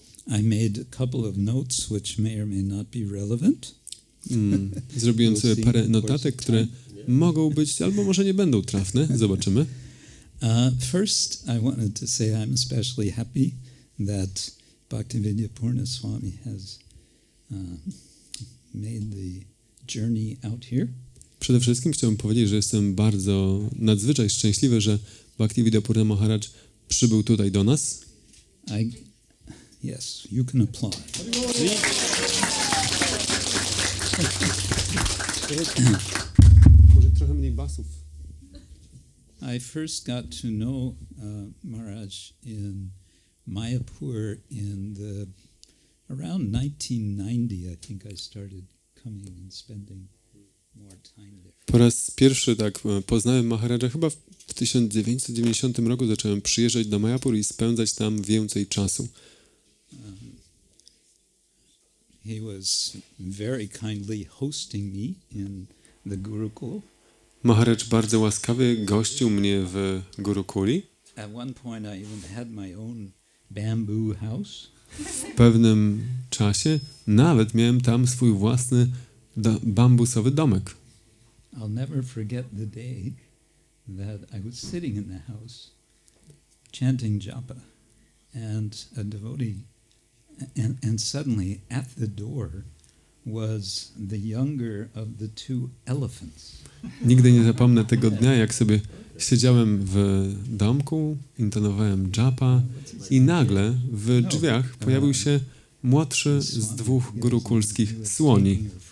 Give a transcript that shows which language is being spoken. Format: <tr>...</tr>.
<en>I made a couple of notes which may or may not be relevant.</en> <pl>Zrobiłem sobie parę notatek, które mogą być, albo może nie będą trafne. Zobaczymy.</pl> <en>First, I wanted to say I'm especially happy that Bhaktivedya Purna Swami has made the journey out here.</en> <pl>Przede wszystkim chciałbym powiedzieć, że jestem bardzo nadzwyczaj szczęśliwy, że Bhaktivedya Purna Maharaj przybył tutaj do nas.</pl> <en>Yes, you can applaud.</en> <pl>Może trochę mniej basów.</pl> <en>I first got to know Maharaj in Mayapur in the around 1990. I think I started coming and spending more time there.</en> <pl>Po raz pierwszy tak poznałem Maharaja chyba w 1990 roku. Zacząłem przyjeżdżać do Mayapur i spędzać tam więcej czasu.</pl> <en>He was very kindly hosting me in the Gurukul.</en> <pl>Maharaj bardzo łaskawie gościł mnie w Gurukuli.</pl> <en>At one point I even had my own bamboo house.</en> <pl>W pewnym czasie nawet miałem tam swój własny bambusowy domek.</pl> <en>I'll never forget the day that I was sitting in the house chanting japa and a devotee. And suddenly at the door was the younger of the two elephants.</en> <pl>Nigdy nie zapomnę tego dnia, jak sobie siedziałem w domku, intonowałem japa i nagle w drzwiach pojawił się młodszy z dwóch gurukulskich słoni.</pl>